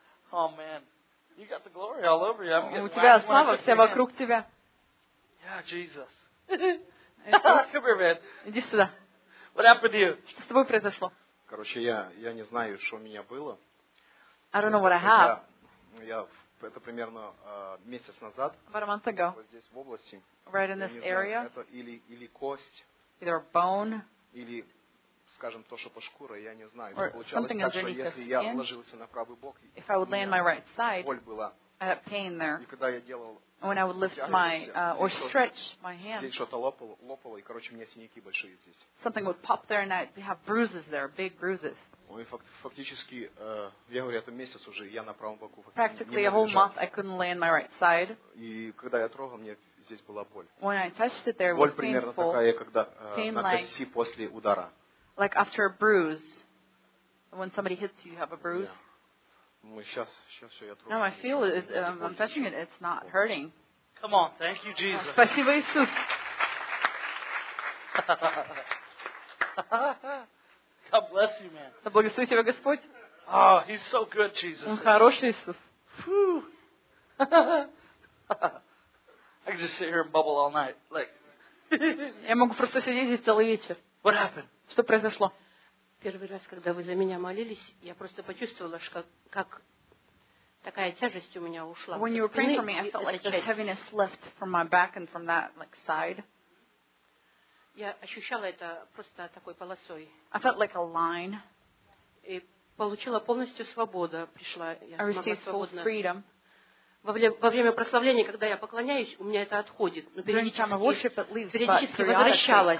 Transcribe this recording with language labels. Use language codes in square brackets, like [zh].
[en] Oh man, you got the glory all over you. [ru] У тебя слава вся вокруг тебя. [en] Yeah, Jesus. Come here, man. [ru] Иди сюда. [en] What happened to you? [ru] Что с тобой произошло? Короче, я не знаю, что у меня было. [en] I don't know what I have. [ru] Это примерно месяц назад. [en] About a month ago. [ru] Вот здесь в области. [en] Right in this area. [ru] Это или кость. [en] Either a bone. [ru] Или, скажем, то, что по шкуре, я не знаю. Получалось так, что если я ложился на правый бок, [en] if I would lay on my right side, [ru] боль была. [en] I had pain there. [ru] И когда я делал, [en] when I would lift my or stretch my hand, [ru] здесь что-то лопало, и короче, у меня синяки большие здесь. [en] Something would pop there, and I'd have bruises there, big bruises. [ru] Ой, фактически, я говорю, это месяц уже, я на правом боку. [en] Practically a whole month I couldn't lay on my right side. [ru] И когда я трогал, мне здесь была боль. [en] When I touched it, there [ru] боль [en] was painful. [ru] Боль примерно такая, когда на кости после удара. [en] Like after a bruise, when somebody hits you, you have a bruise. [ru] Yeah. Сейчас все я трогаю. [en] No, I feel it. I'm touching it. It's not hurting. Come on, thank you, Jesus. [ru] Спасибо, Иисус. [en] God bless you, man. [ru] Да благослови тебя, Господь. [en] Oh, he's so good, Jesus. [ru] Он хороший, Иисус. Phew. [en] I could just sit here and bubble all night, like. [ru] Я могу просто сидеть здесь целый вечер. [en] What happened? [ru] Что произошло? Первый раз, когда вы за меня молились, я просто почувствовала, как такая тяжесть у меня ушла. [en] When you were praying for me, I felt like this heaviness left from my back and from that like side. [ru] Я ощущала это просто такой полосой. [en] I felt like a line. [ru] И получила полностью свободу, пришла я. [en] I received full freedom. [ru] Во время прославления, когда я поклоняюсь, у меня это отходит. Но периодически возвращалось.